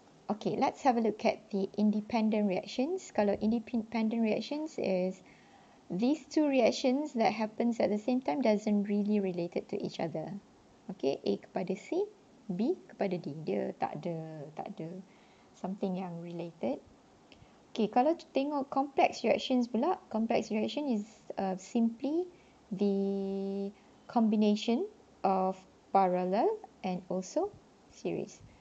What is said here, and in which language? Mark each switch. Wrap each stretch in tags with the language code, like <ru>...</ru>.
<en>Okay, let's have a look at the independent reactions. Kalau independent reactions is these two reactions that happens at the same time doesn't really related to each other.</en> <ms>Okay, A kepada C, B kepada D. Dia tak ada something yang related.</ms> <en>Okay,</en> <ms>kalau tengok</ms> <en>complex reactions</en> <ms>pula,</ms> <en>complex reaction is simply the combination of parallel and also series.</en>